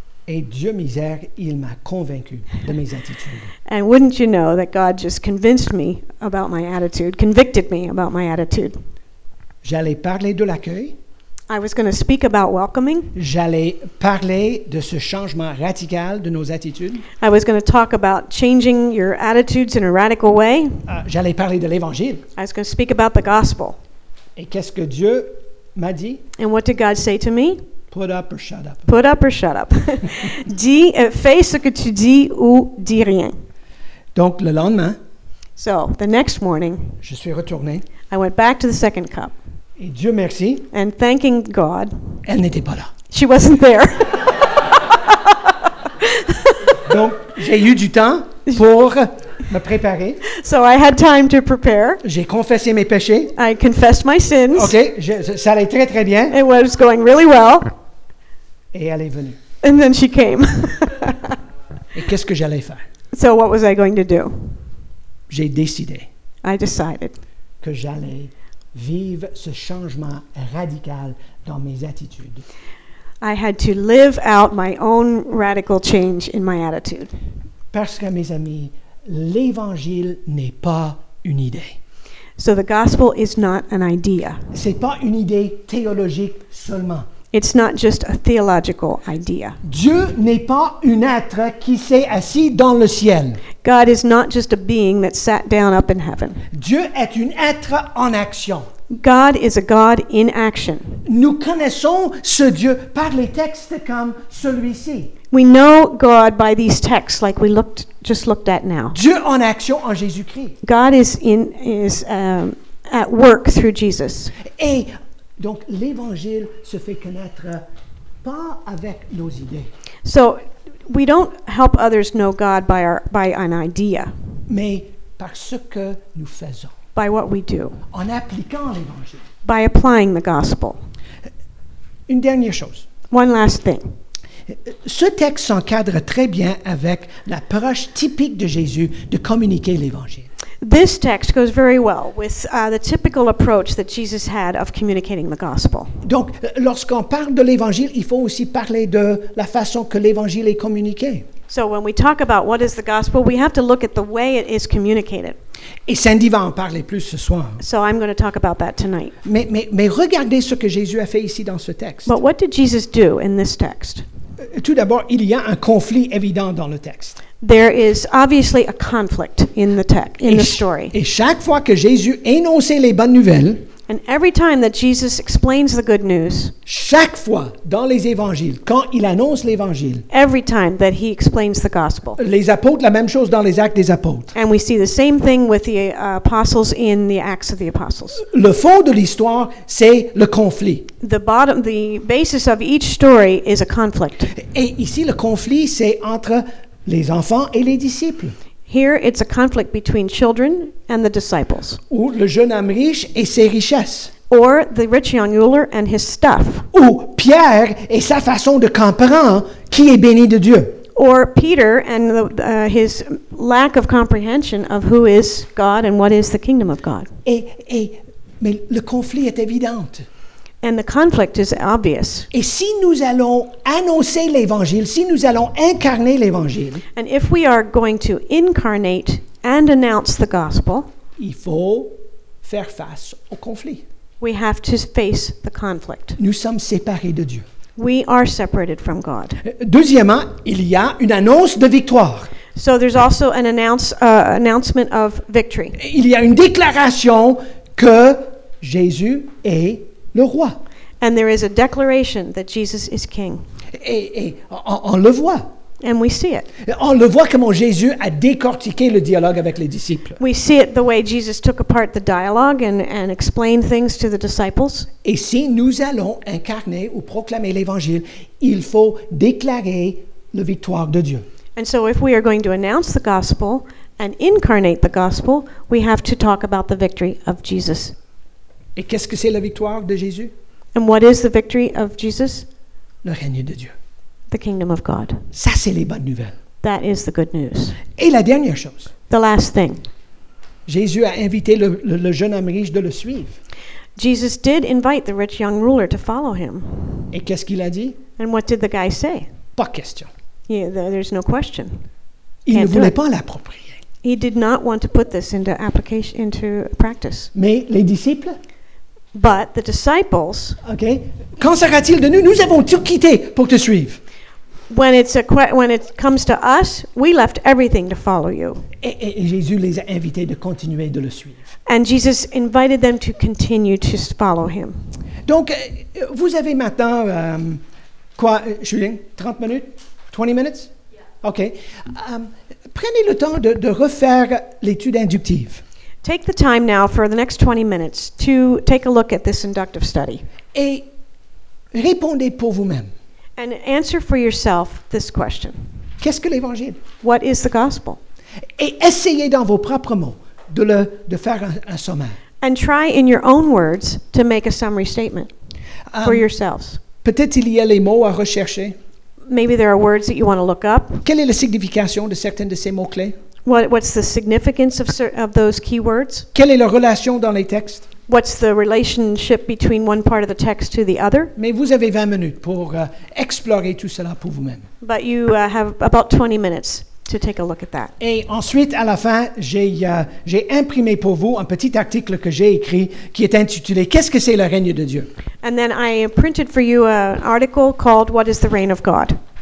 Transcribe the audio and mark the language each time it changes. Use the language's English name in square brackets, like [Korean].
[French] Et Dieu misère, il m'a convaincu de mes attitudes. [English] And wouldn't you know that God just convinced me about my attitude, convicted me about my attitude. [French] J'allais parler de l'accueil. [English] I was going to speak about welcoming. [French] J'allais parler de ce changement radical de nos attitudes. [English] I was going to talk about changing your attitudes in a radical way. [French] J'allais parler de l'évangile. [English] I was going to speak about the gospel. [French] Et qu'est-ce que Dieu m'a dit? [English] And what did God say to me? Put up or shut up. Put up or shut up. [French] fais ce que tu dis ou dis rien. Donc, le lendemain, [English] so, the next morning, [French] je suis retourné. [English] I went back to the second cup. [French] Et Dieu merci. [English] And thanking God, [French] elle n'était pas là. [English] She wasn't there. [French] Donc, j'ai eu du temps pour me préparer. [English] So I had time to prepare. [French] J'ai confessé mes péchés. [English] I confessed my sins. [French] OK, ça allait très, très bien. [English] It was going really well. [French] Et elle est venue. [English] And then she came. [French] Et qu'est-ce que j'allais faire? [English] So what was I going to do? [French] J'ai décidé. [English] I decided. [French] Que j'allais vivre ce changement radical dans mes attitudes. [English] I had to live out my own radical change in my attitude. [French] Parce que, mes amis, l'évangile n'est pas une idée. [English] So the gospel is not an idea. [French] C'est pas une idée théologique seulement. [English] It's not just a theological idea. [French] Dieu n'est pas un être qui s'est assis dans le ciel. [English] God is not just a being that sat down up in heaven. [French] Dieu est un être en action. [English] God is a God in action. [French] Nous connaissons ce Dieu par les textes comme celui-ci. [English] We know God by these texts like we looked just looked at now. [French] Dieu en action en Jésus-Christ. [English] God is at work through Jesus. [French] Et donc l'évangile se fait connaître pas avec nos idées. [English] So we don't help others know God by an idea. [French] Mais par ce que nous faisons. [English] By what we do. [French] En appliquant l'évangile. [English] By applying the gospel. [French] Une dernière chose. [English] One last thing. [French] Ce texte s'encadre très bien avec l'approche typique de Jésus de communiquer l'évangile. [English] This text goes very well with the typical approach that Jesus had of communicating the gospel. [French] Donc, lorsqu'on parle de l'évangile, il faut aussi parler de la façon que l'évangile est communiqué. [English] So when we talk about what is the gospel, we have to look at the way it is communicated. [French] Et Sandy va en parler plus ce soir. [English] So I'm going to talk about that tonight. [French] Mais regardez ce que Jésus a fait ici dans ce texte. [English] But what did Jesus do in this text? [French] Tout d'abord, il y a un conflit évident dans le texte. [English] There is obviously a conflict in the story. [French] Et chaque fois que Jésus énonçait les bonnes nouvelles, [English] and every time that Jesus explains the good news, [French] chaque fois dans les évangiles, quand il annonce l'évangile, [English] every time that he explains the gospel, [French] les apôtres, la même chose dans les actes des apôtres, [English] and we see the same thing with the apostles in the acts of the apostles. [French] Le fond de l'histoire, c'est le conflit. [English] The basis of each story is a conflict. [French] Et ici, le conflit, c'est entre les enfants et les disciples. [English] Here it's a conflict between children and the disciples. [French] Ou le jeune homme riche et ses richesses. [English] Or the rich young ruler and his stuff. [French] Ou Pierre et sa façon de comprendre qui est béni de Dieu. [English] Or Peter and his lack of comprehension of who is God and what is the kingdom of God. [French] Mais le conflit est évident. [English] And the conflict is obvious. [French] Et si nous allons annoncer l'évangile, si nous allons incarner l'évangile, [English] and if we are going to incarnate and announce the gospel, [French] il faut faire face au conflit. [English] We have to face the conflict. [French] Nous sommes séparés de Dieu. [English] We are separated from God. [French] Deuxièmement, il y a une annonce de victoire. [English] So there's also an announcement of victory. [French] Il y a une déclaration que Jésus est le roi. [English] And there is a declaration that Jesus is king. [French] Et on le voit. [English] And we see it. [French] On le voit comment Jésus a décortiqué le dialogue avec les disciples. [English] We see it the way Jesus took apart the dialogue and explained things to the disciples. [French] Et si nous allons incarner ou proclamer l'évangile, il faut déclarer la victoire de Dieu. [English] And so if we are going to announce the gospel and incarnate the gospel, we have to talk about the victory of Jesus. [French] Et qu'est-ce que c'est la victoire de Jésus? [English] And what is the victory of Jesus? [French] Le règne de Dieu. [English] The kingdom of God. [French] Ça, c'est les bonnes nouvelles. [English] That is the good news. [French] Et la dernière chose. [English] The last thing. [French] Jésus a invité le jeune homme riche de le suivre. [English] Jesus did invite the rich young ruler to follow him. [French] Et qu'est-ce qu'il a dit? [English] And what did the guy say? [French] Pas question. [English] There's no question. [French] Il ne voulait pas l'approprier. [English] He did not want to put this into application, into practice. [French] Mais les disciples? [English] But the disciples. Okay. [French] Qu'en sera-t-il de nous? Nous avons tout quitté pour te suivre. [English] When it comes to us, we left everything to follow you. [French] Et Jésus les a invités de continuer de le suivre. [English] And Jesus invited them to continue to follow him. [French] Donc, vous avez maintenant, quoi, Julien? [English] 30 minutes? 20 minutes? Yeah. [French] Okay. Prenez le temps de refaire l'étude inductive. [English] Take the time now for the next 20 minutes to take a look at this inductive study. [French] Et répondez pour vous-même. [English] And answer for yourself this question. [French] Qu'est-ce que l'évangile? [English] What is the gospel? [French] Et essayez dans vos propres mots de faire un sommaire. [English] And try in your own words to make a summary statement for yourselves. [French] Peut-être il y a les mots à rechercher. [English] Maybe there are words that you want to look up. [French] Quelle est la signification de certains de ces mots clés? [English] What's the significance of those keywords? [French] Quelle est la relation dans les textes? [English] What's the relationship between one part of the text to the other? [French] Mais vous avez 20 minutes pour explorer tout cela pour vous-même. [English] But you have about 20 minutes to take a look at that. [French] Et ensuite, à la fin, j'ai imprimé pour vous un petit article que j'ai écrit qui est intitulé « Qu'est-ce que c'est le règne de Dieu? » [English] And then I printed for you an article called « What is the reign of God? »